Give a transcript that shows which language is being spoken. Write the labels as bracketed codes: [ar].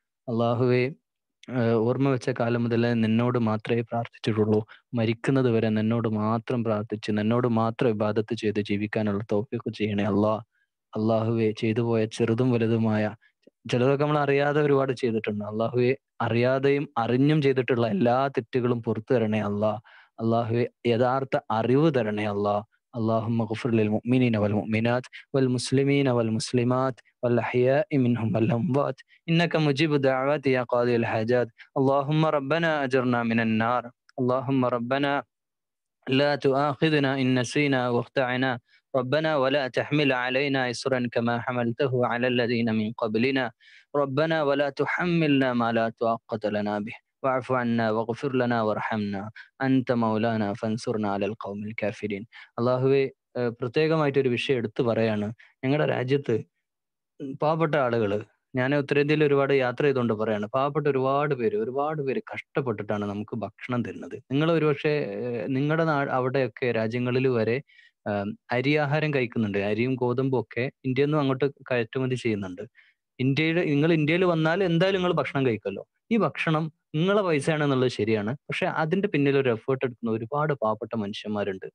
[ml] അള്ളാഹുവെ ഓർമ്മ വെച്ച കാലം മുതലേ നിന്നോട് മാത്രമേ പ്രാർത്ഥിച്ചിട്ടുള്ളൂ, മരിക്കുന്നത് വരെ നിന്നോട് മാത്രം പ്രാർത്ഥിച്ച് നിന്നോട് മാത്രം ഇബാദത്ത് ചെയ്ത് ജീവിക്കാനുള്ള തൗഫീഖ് ചെയ്യണേ അല്ലാ. അള്ളാഹുവെ ചെയ്തു പോയ ചെറുതും വലുതുമായ ചിലതൊക്കെ നമ്മൾ അറിയാതെ ഒരുപാട് ചെയ്തിട്ടുണ്ട്, അള്ളാഹുവെ അറിയാതെയും അറിഞ്ഞും ചെയ്തിട്ടുള്ള എല്ലാ തെറ്റുകളും പുറത്തു തരണേ അല്ലാ. അള്ളാഹുവെ യഥാർത്ഥ അറിവ് തരണേ അല്ലാ. [ar] അള്ളാഹുമ്മ ഗഫിർ ലിൽ മുഅ്മിനീന വൽ മുഅ്മിനാത് വൽ മുസ്ലിമീന വൽ മുസ്ലിമാത് والحياء منهم والأموات إنك مجيب دعوات يا قاضي الحاجات اللهم ربنا أجرنا من النار اللهم ربنا لا تؤاخذنا إن نسينا واخطأنا ربنا ولا تحمل علينا إصرا كما حملته على الذين من قبلنا ربنا ولا تحملنا ما لا طاقة لنا به واعف عنا واغفر لنا وارحمنا أنت مولانا فانصرنا على القوم الكافرين اللهم [ml] പ്രത്യേകമായിട്ട് ഒരു വിഷയം എടുത്തു പറയാണ്, ഞങ്ങളുടെ രാജ്യത്ത് പാവപ്പെട്ട ആളുകൾ, ഞാൻ ഉത്തരേന്ത്യയിൽ ഒരുപാട് യാത്ര ചെയ്തുകൊണ്ട് പറയാണ്, പാവപ്പെട്ട ഒരുപാട് പേര് കഷ്ടപ്പെട്ടിട്ടാണ് നമുക്ക് ഭക്ഷണം തരുന്നത്. നിങ്ങൾ ഒരുപക്ഷെ നിങ്ങളുടെ അവിടെയൊക്കെ രാജ്യങ്ങളിൽ വരെ അരി ആഹാരം കഴിക്കുന്നുണ്ട്, അരിയും ഗോതമ്പും ഒക്കെ ഇന്ത്യയിൽ നിന്നും അങ്ങോട്ട് കയറ്റുമതി ചെയ്യുന്നുണ്ട്. നിങ്ങൾ ഇന്ത്യയിൽ വന്നാൽ എന്തായാലും നിങ്ങൾ ഭക്ഷണം കഴിക്കുമല്ലോ. ഈ ഭക്ഷണം നിങ്ങളെ പൈസയാണ് എന്നുള്ളത് ശരിയാണ്, പക്ഷെ അതിന്റെ പിന്നിൽ ഒരു എഫേർട്ട് എടുക്കുന്ന ഒരുപാട് പാവപ്പെട്ട മനുഷ്യന്മാരുണ്ട്.